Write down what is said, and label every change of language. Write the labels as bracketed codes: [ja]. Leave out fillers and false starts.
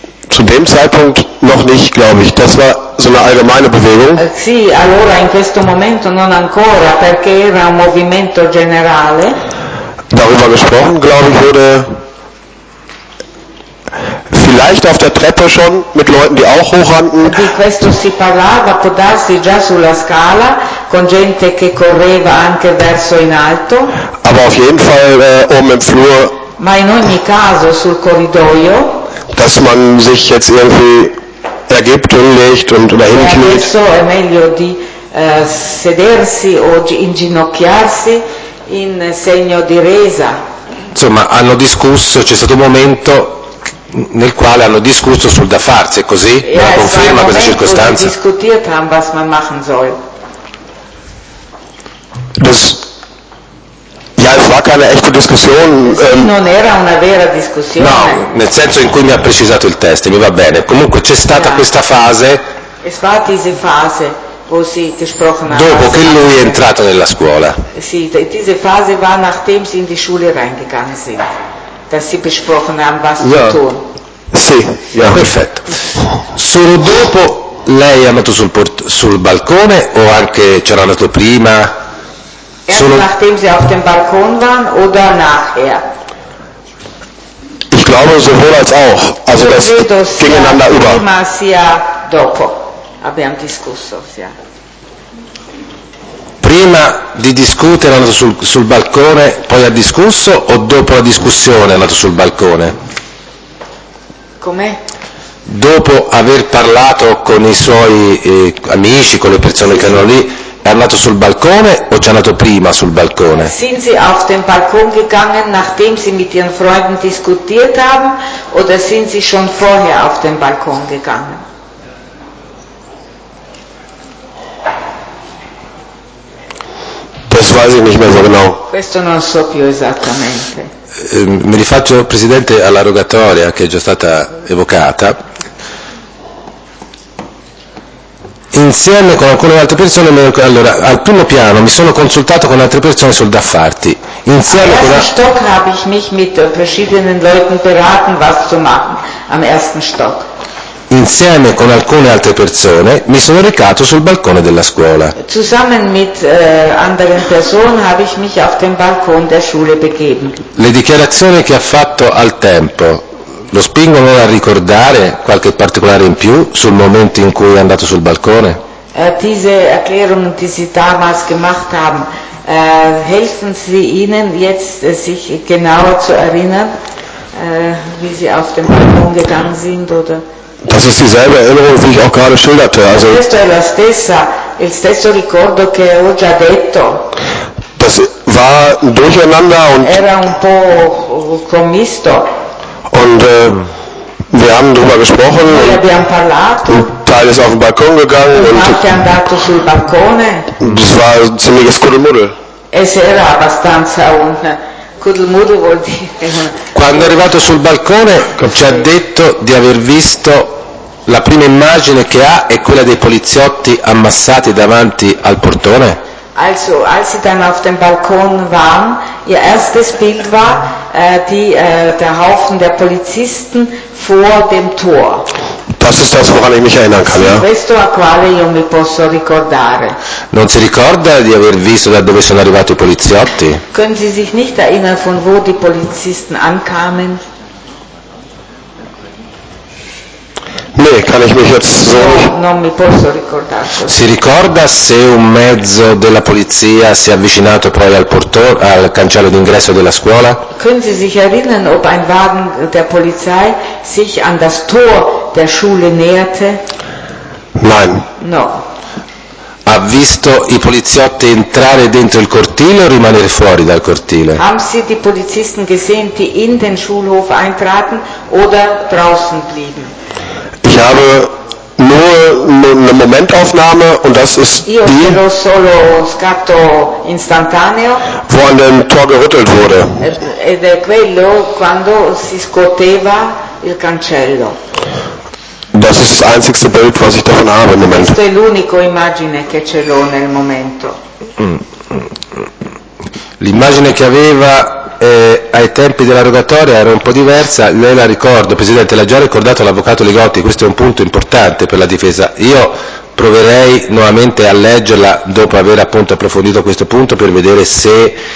[de] Zu dem Zeitpunkt noch nicht, glaube ich. Das war so eine allgemeine Bewegung. [it] Sì, allora in questo momento non ancora, perché era un movimento generale. [de] Darüber gesprochen, glaube ich, wurde vielleicht auf der Treppe schon mit Leuten, die auch hochrannten. [it] Di questo si parlava, può darsi, già sulla scala, con gente che correva anche verso in alto. [de] Aber auf jeden Fall oben im Flur. [it] Ma in ogni caso sul corridoio. [de] Dass man sich jetzt irgendwie ergibt und legt und dahin kniet. [it] Adesso è meglio di sedersi o inginocchiarsi in segno di resa. Insomma, hanno discusso, c'è stato un momento nel quale hanno discusso sul da farsi, è così? [en] Yes, [it] la conferma questa circostanza? [de] Sì, discutiert haben, was man machen soll. Das, ja, es war keine echte Diskussion. [it] Sì, non era una vera discussione. No, nel senso in cui mi ha precisato il testo, mi va bene. Comunque c'è stata questa fase. [de] Es war diese Phase. [it] Dopo che lui è entrato nella scuola. [de] Sì, diese Phase war nachdem sie in die Schule reingegangen sind, dass sie besprochen haben, was zu tun. Sì, ja, [it] perfetto. Solo dopo lei è andato sul balcone o anche c'era andato prima? [de] Solo nachdem sie auf dem Balkon waren oder nachher? Ich glaube sowohl als auch, also das gegeneinander über. [it] Prima sia dopo. Abbiamo discusso, sì. Prima di discutere è andato sul balcone, poi ha discusso o dopo la discussione è andato sul balcone? Com'è? Dopo aver parlato con i suoi amici, con le persone che erano lì, è andato sul balcone o c'è andato prima sul balcone? [de] Sind sie auf den Balkon gegangen, nachdem sie mit ihren Freunden diskutiert haben, oder sind sie schon vorher auf den Balkon gegangen? Das weiß ich nicht mehr so genau. [it] Questo non so più esattamente. Mi rifaccio, Presidente, alla rogatoria che è già stata evocata. Insieme con alcune altre persone, allora, al primo piano mi sono consultato con altre persone sul da farti. Insieme [de] am [it] con [de] ersten Stock habe ich mich mit verschiedenen Leuten beraten, was zu machen, am ersten Stock. [it] Insieme con alcune altre persone mi sono recato sul balcone della scuola. [de] Zusammen mit anderen Personen habe ich mich auf den Balkon der Schule begeben. [it] Le dichiarazioni che ha fatto al tempo lo spingono a ricordare qualche particolare in più sul momento in cui è andato sul balcone? [de] Diese Erklärungen, die Sie damals gemacht haben, helfen Sie Ihnen jetzt, sich genauer zu erinnern, wie Sie auf den Balkon gegangen sind oder? Das ist dieselbe Erinnerung, die ich auch gerade schilderte. Also, [it] questo è la stessa, il stesso ricordo che ho già detto. [de] Das war ein Durcheinander und [it] era un po' commisto. [de] Und wir haben darüber gesprochen. [it] Noi abbiamo parlato. [de] Ein Teil ist auf den Balkon gegangen und [it] parte è andato sul balcone. [de] Das war ein ziemliches Kuddelmuddel. [it] Es era abbastanza un Kuddelmuddel, vuol dire. Quando è arrivato sul balcone ci ha detto di aver visto la prima immagine che ha è quella dei poliziotti ammassati davanti al portone. [de] Also, als sie dann auf dem Balkon waren, ihr erstes Bild war der Haufen der Polizisten vor dem Tor. Das ist das, woran ich mich erinnern kann, ja. [it] Questo a quale io mi posso ricordare. Non si ricorda di aver visto da dove sono arrivati i poliziotti? [de] Können Sie sich nicht erinnern, von wo die Polizisten ankamen? Nee, kann ich mich jetzt so [it] non mi posso ricordare. Si ricorda se un mezzo della polizia si è avvicinato poi al cancello d'ingresso della scuola? [de] Können Sie sich erinnern, ob ein Wagen der Polizei sich an das Tor der Schule näherte? Nein. [it] No. Ha visto i poliziotti entrare dentro il cortile o rimanere fuori dal cortile? [de] Haben Sie die Polizisten gesehen, die in den Schulhof eintraten oder draußen blieben? Ich habe nur eine Momentaufnahme und das ist [it] io solo scatto istantaneo, [de] wo an dem Tor gerüttelt wurde. [it] Ed è quello quando si scuoteva il cancello. [de] Das ist das einzige Bild, was ich davon habe im Moment. [it] Questo è l'unico immagine che ce l'ho nel momento. L'immagine che aveva ai tempi della rogatoria era un po' diversa, lei la ricordo, Presidente, l'ha già ricordato l'avvocato Ligotti, questo è un punto importante per la difesa. Io proverei nuovamente a leggerla dopo aver appunto approfondito questo punto per vedere se